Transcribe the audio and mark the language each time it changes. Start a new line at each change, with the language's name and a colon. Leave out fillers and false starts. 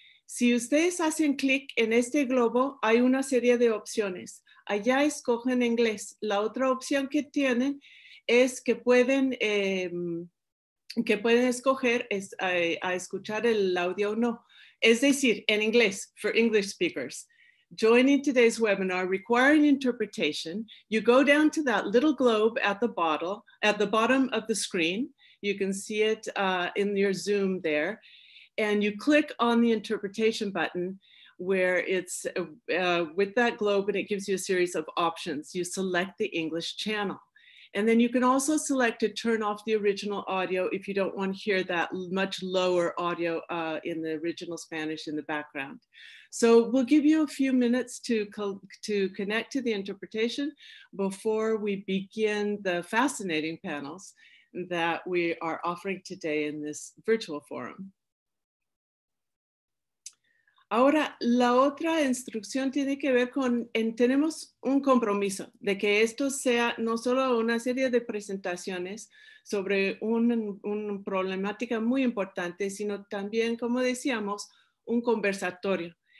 Spanish: Si ustedes hacen clic en este globo, hay una serie de opciones. Allá escogen inglés. La otra opción que tienen es que pueden escoger a escuchar el audio o no. Es decir, en inglés,
English: for English speakers. Joining today's webinar requiring interpretation, you go down to that little globe at the bottom of the screen. You can see it in your Zoom there. And you click on the interpretation button where it's with that globe, and it gives you a series of options. You select the English channel. And then you can also select to turn off the original audio if you don't want to hear that much lower audio in the original Spanish in the background. So we'll give you a few minutes to connect to the interpretation before we begin the fascinating panels that we are offering today in this virtual forum.
Spanish: Ahora, la otra instrucción tiene que ver con, tenemos un compromiso de que esto sea no solo una serie de presentaciones sobre una problemática muy importante, sino también, como decíamos, un conversatorio.